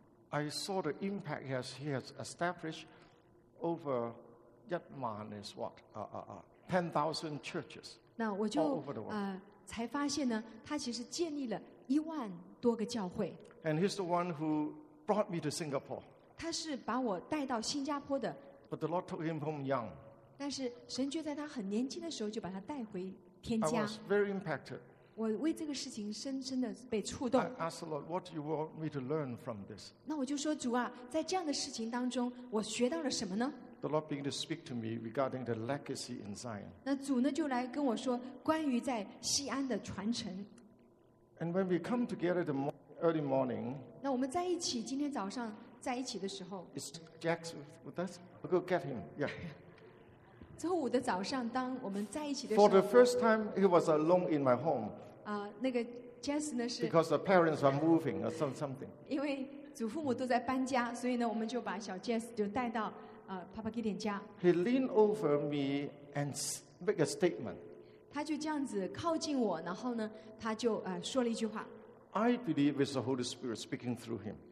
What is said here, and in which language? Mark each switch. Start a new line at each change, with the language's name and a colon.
English: I saw the impact he has established over 10,000 churches.
Chinese: 那我就才发现呢，他其实建立了一万多个教会。
English: And he's the one who brought me to Singapore.
Chinese: 他是把我带到新加坡的。
English: But the Lord took him home young.
Chinese: 但是神却在他很年轻的时候就把他带回天家。
English: I was very impacted.
Chinese: 我为这个事情深深的被触动。
English: I asked the Lord, "What do you want me to learn from this?"
Chinese: 那我就说主啊，在这样的事情当中，我学到了什么呢？
English: The Lord began to speak to me regarding the legacy in Zion.
Chinese: 那主呢就来跟我说关于在西安的传承。
English: And when we come together the early morning,
Chinese: 那我们在一起今天早上在一起的时候
English: ，Is Jack with us? We'll go get him. Yeah.
Chinese: 周五的早上，当我们在一起的时候
English: ，For the first time, he was alone in my home.
Chinese: 那个 Jack 呢是
English: ，Because the parents are moving or something.
Chinese: 因为祖父母都在搬家，所以呢，我们就把小 Jack 就带到。 Papa Gideon 家。
English: He leaned over me and make a statement.
Chinese: 他就这样子靠近我，然后呢，他就说了一句话。
English: I believe it's the Holy Spirit speaking through him.